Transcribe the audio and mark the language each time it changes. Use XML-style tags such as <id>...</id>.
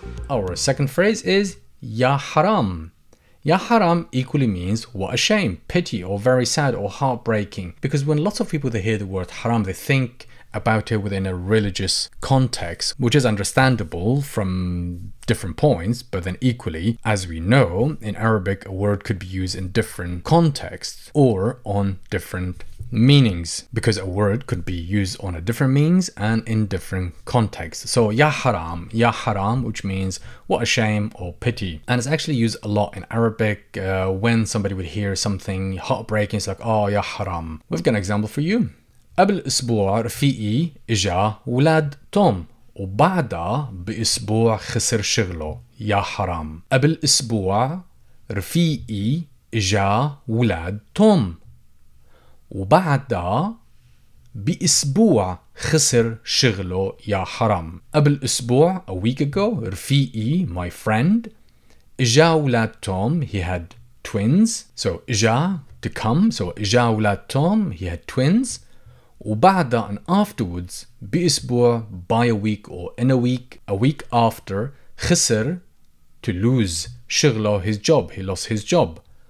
<en>Our second phrase is ya haram. Ya haram equally means what a shame, pity, or very sad or heartbreaking, because when lots of people they hear the word haram, they think about it within a religious context, which is understandable from different points, but then equally, as we know, in Arabic, a word could be used in different contexts or on different meanings, because a word could be used on a different means and in different contexts. So ya haram, which means what a shame or pity. And it's actually used a lot in Arabic when somebody would hear something heartbreaking, it's like, oh, ya haram. We've got an example for you.</en> <ar>قبل أسبوع رفيقي إجا ولاد توم وبعدها بأسبوع خسر شغله يا حرام. قبل أسبوع رفيقي إجا ولاد توم وبعدها بأسبوع خسر شغله يا حرام. قبل أسبوع</ar> <en>a week ago</en> <ar>رفيقي</ar> <en>my friend</en> <ar>إجا ولاد توم</ar> <en>he had twins. So</en> <ar>إجا</ar> <en>to come. So</en> <ar>إجا ولاد توم</ar> <en>he had twins.</en> <ar>وبعدها</ar> <en>and afterwards</en> <ar>بأسبوع</ar> <en>by a week or in a week after</en> <ar>خسر</ar> <en>to lose</en> <ar>شغله</ar> <en>his job, he lost his job.</en>